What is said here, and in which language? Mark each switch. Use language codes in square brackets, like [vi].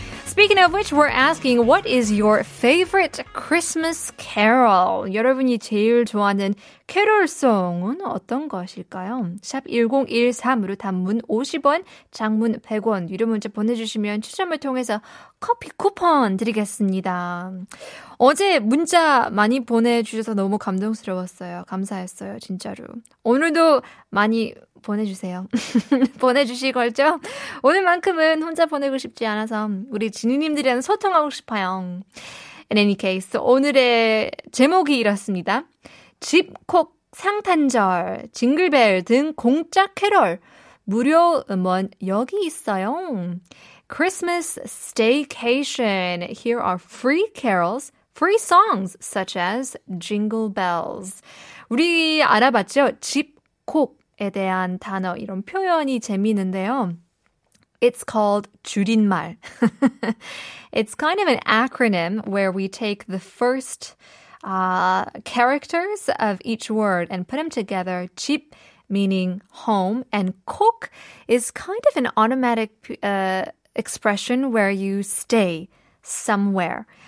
[en] Speaking of which, we're asking, what is your favorite Christmas carol? [ko] 여러분이 제일 좋아하는 캐롤송은 어떤 것일까요? 샵 1013으로 단문 50원, 장문 100원, 유료 문자 보내주시면 추첨을 통해서 커피 쿠폰 드리겠습니다. 어제 문자 많이 보내주셔서 너무 감동스러웠어요. 감사했어요, 진짜로. 오늘도 많이 보내주세요. 보내주실 걸죠? 오늘만큼은 혼자 보내고 싶지 않아서 우리 진우님들이랑 소통하고 싶어요. [en] In any case, [ko] 오늘의 제목이 이렇습니다. 집콕 상탄절, 징글벨 등 공짜 캐럴, 무료 음원 여기 있어요. [en] Christmas staycation, here are free carols, free songs such as Jingle Bells. [ko] 우리 알아봤죠? 집콕. 에 대한 단어, 이런 표현이 재미있는데요. [en] It's called 줄임말. It's kind of an acronym where we take the first characters of each word and put them together. 집 meaning home, and 콕 is kind of an automatic expression where you stay somewhere.